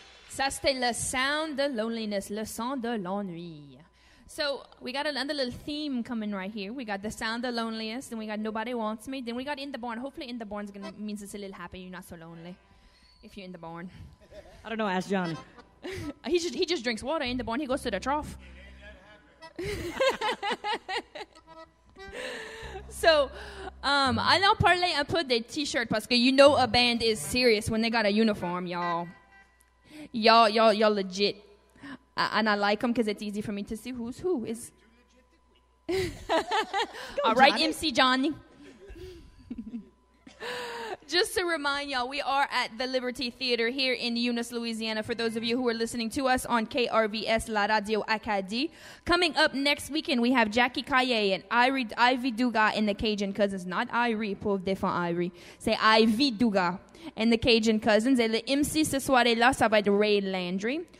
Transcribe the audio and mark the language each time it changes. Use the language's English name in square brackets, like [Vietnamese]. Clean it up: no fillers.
[French] Contraste le sound de loneliness, le son de l'ennui. [English] So we got another little theme coming right here. We got the sound of loneliness, then we got nobody wants me, then we got in the barn. Hopefully in the barn means it's a little happy. You're not so lonely if you're in the barn. I don't know, ask John. he just drinks water in the barn. He goes to the trough. So, [French] allons parler un peu des t-shirts, parce que [English] you know a band is serious when they got a uniform, y'all. Y'all legit. And I like them because it's easy for me to see who's who. Is all right, MC Johnny. Just to remind y'all, we are at the Liberty Theater here in Eunice, Louisiana. For those of you who are listening to us on KRVS, La Radio Acadie. Coming up next weekend, we have Jackie Kaye and Ivy Duga and the Cajun Cousins. Not Irie, [French] pauvre défunt Irie. [English] Say Ivy Duga and the Cajun Cousins. [French] Et le MC ce soir-là, ça va être Ray Landry.